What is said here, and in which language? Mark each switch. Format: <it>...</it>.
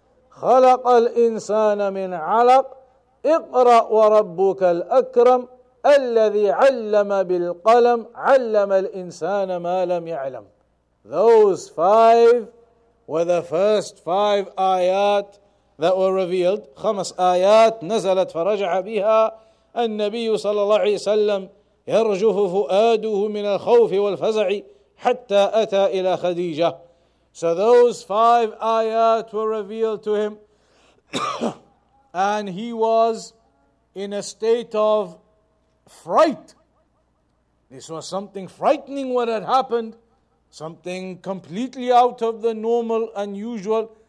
<ar>خلق الإنسان من علق اقرأ وربك الأكرم الذي علم بالقلم علم الإنسان ما لم يعلم.</ar> <en>Those five were the first five آيات that were revealed.</en> <ar>خمس آيات نزلت فرجع بها النبي صلى الله عليه وسلم يرجف فؤاده من الخوف والفزع حتى أتى إلى خديجة.</ar> <en>So those five ayat were revealed to him and he was in a state of fright. This was something frightening what had happened, something completely out of the normal and usual.</en>